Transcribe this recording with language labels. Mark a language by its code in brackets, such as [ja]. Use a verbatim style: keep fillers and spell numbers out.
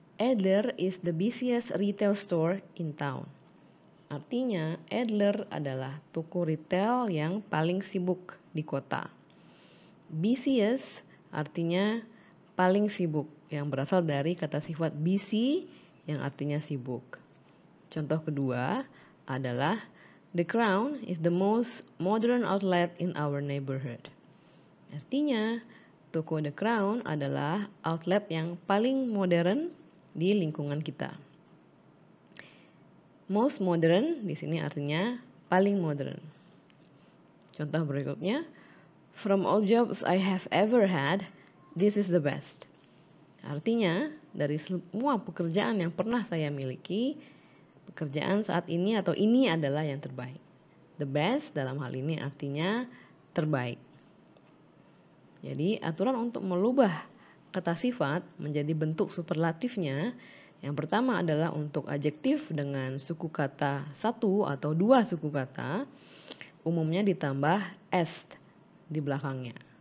[en] Adler is the busiest retail store in town. [id] Artinya, Adler adalah toko retail yang paling sibuk di kota. Busiest artinya paling sibuk, yang berasal dari kata sifat busy yang artinya sibuk. Contoh kedua adalah [en] The Crown is the most modern outlet in our neighborhood. [id] Artinya, toko The Crown adalah outlet yang paling modern di lingkungan kita. Most modern di sini artinya paling modern. Contoh berikutnya, [en] From all jobs I have ever had, this is the best. [id] Artinya, dari semua pekerjaan yang pernah saya miliki, pekerjaan saat ini atau ini adalah yang terbaik. The best dalam hal ini artinya terbaik. Jadi, aturan untuk melubah kata sifat menjadi bentuk superlatifnya, yang pertama adalah untuk adjektif dengan suku kata satu atau dua suku kata, umumnya ditambah est di belakangnya.